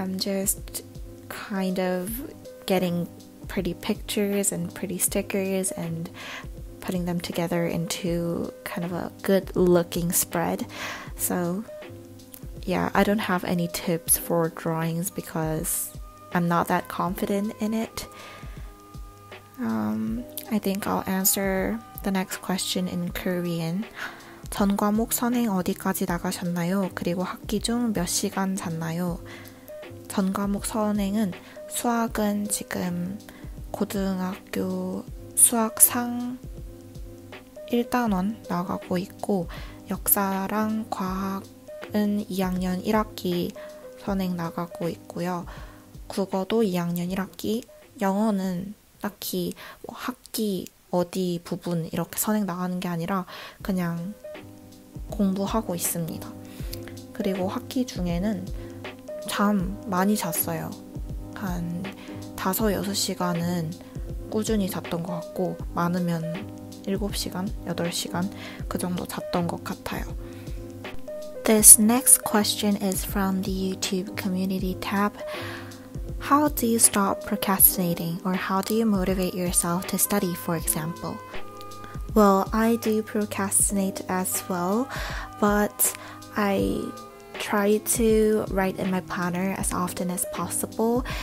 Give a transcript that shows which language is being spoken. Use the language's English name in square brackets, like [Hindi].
[English] I'm just kind of getting pretty pictures and pretty stickers and putting them together into kind of a good looking spread. So yeah, I don't have any tips for drawings because I'm not that confident in it. I think I'll answer the next question in Korean. [Korean] 전 과목 선행 어디까지 나가셨나요? 그리고 학기 중 몇 시간 잤나요? 전 과목 선행은 수학은 지금 고등학교 수학상 1단원 나가고 있고, 역사랑 과학은 2학년 1학기 선행 나가고 있고요. 국어도 2학년 1학기, 영어는 딱히 뭐 학기 어디 부분 이렇게 선행 나가는 게 아니라 그냥 공부하고 있습니다. 그리고 학기 중에는 잠 많이 잤어요. 한 5, 6시간은 꾸준히 잤던 것 같고, 많으면 7시간, 8시간 그 정도 잤던 것 같아요. [English] This next question is from the YouTube community tab. How do you stop procrastinating, or how do you motivate yourself to study, for example? Well, I do procrastinate as well, but I try to write in my planner as often as possible.